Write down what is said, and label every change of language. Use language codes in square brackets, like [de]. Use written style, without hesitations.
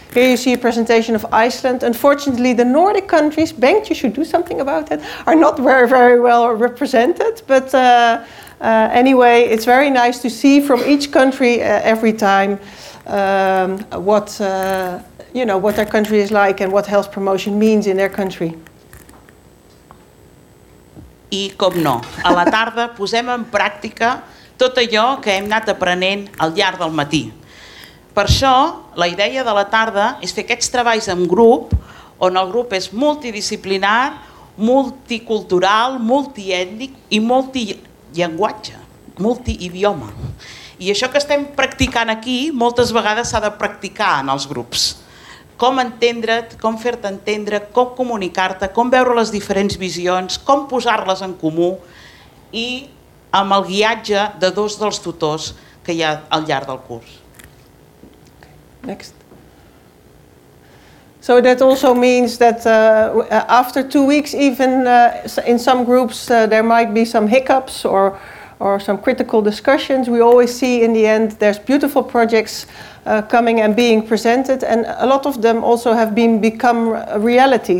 [en] Here you see a presentation of Iceland. Unfortunately, the Nordic countries, Bengt, you should do something about that, are not very, very well represented. But anyway, it's very nice to see from each country every time what you know, what their country is like and what health promotion means in their country. [ca] I com no, a la tarda posem en pràctica tot allò que hem anat aprenent al llarg del matí. Per això, la idea de la tarda és fer aquests treballs en grup, on el grup és multidisciplinar, multicultural, multiètnic i multilinguatge, multiidioma. I això que estem practicant aquí, moltes vegades s'ha de practicar en els grups. Com entendre't, com fer-te entendre, com comunicar-te, com veure les diferents visions, com posar-les en comú i amb el guiatge de dos dels tutors que hi ha al llarg del curs. [en] Next. So that also means that after 2 weeks, even in some groups, there might be some hiccups or some critical discussions. We always see in the end there's beautiful projects coming and being presented, and a lot of them also have been become a reality.